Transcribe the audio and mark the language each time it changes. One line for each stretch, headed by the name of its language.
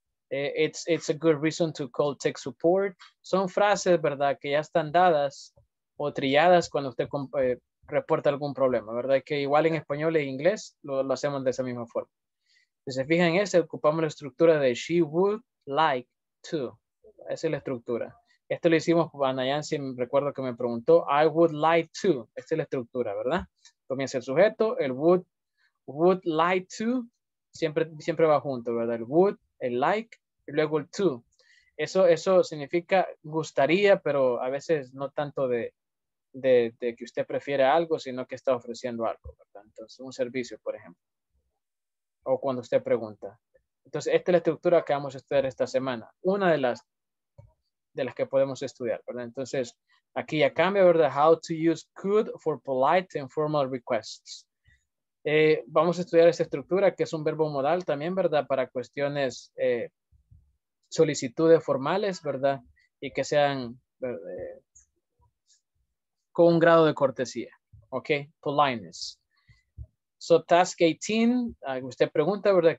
English: It's a good reason to call tech support.
Spanish: Son frases, ¿verdad?, que ya están dadas o trilladas cuando usted reporta algún problema, ¿verdad? Que igual en español e inglés lo hacemos de esa misma forma. Si se fijan en eso, ocupamos la estructura de
English: she would like to.
Spanish: Esa es la estructura. Esto lo hicimos con Nayansi, recuerdo que me preguntó,
English: I would like to.
Spanish: Esta es la estructura, ¿verdad? Comienza el sujeto, el would like to, siempre va junto, ¿verdad? El would, el like, y luego el to. Eso significa gustaría, pero a veces no tanto de que usted prefiere algo, sino que está ofreciendo algo, ¿verdad? Entonces, un servicio, por ejemplo. O cuando usted pregunta. Entonces, esta es la estructura que vamos a estudiar esta semana. Una de las de las que podemos estudiar, ¿verdad? Entonces, aquí ya cambia, ¿verdad?
English: How to use could for polite and formal requests.
Spanish: Vamos a estudiar esta estructura, que es un verbo modal también, ¿verdad? Para cuestiones, solicitudes formales, ¿verdad? Y que sean con un grado de cortesía, ¿ok?
English: Politeness. So, task 18,
Spanish: usted pregunta, ¿verdad?